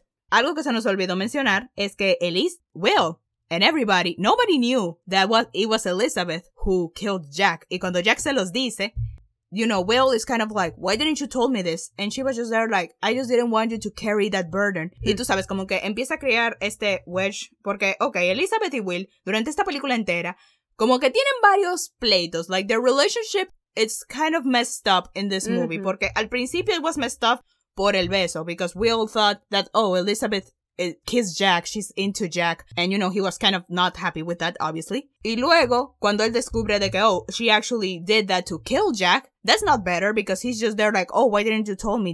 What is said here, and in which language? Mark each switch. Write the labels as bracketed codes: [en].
[es] Algo que se nos olvidó mencionar es que [en] Will and everybody, nobody knew that it was Elizabeth who killed Jack. [es] Y cuando Jack se los dice, [en] you know, Will is kind of like, why didn't you tell me this? And she was just there like, I just didn't want you to carry that burden. [es] Y tú sabes, como que empieza a crear este wedge. Porque, okay, Elizabeth y Will, durante esta película entera, como que tienen varios pleitos. [en] Like, their relationship, it's kind of messed up in this movie. Mm-hmm. [es] Porque al principio [en] it was messed up [es] por el beso. [en] Because Will thought that, oh, Elizabeth kissed Jack, she's into Jack. And, you know, he was kind of not happy with that, obviously. [es] Y luego, cuando él descubre de que, [en] oh, she actually did that to kill Jack, that's not better because he's just there like, oh, why didn't you tell me?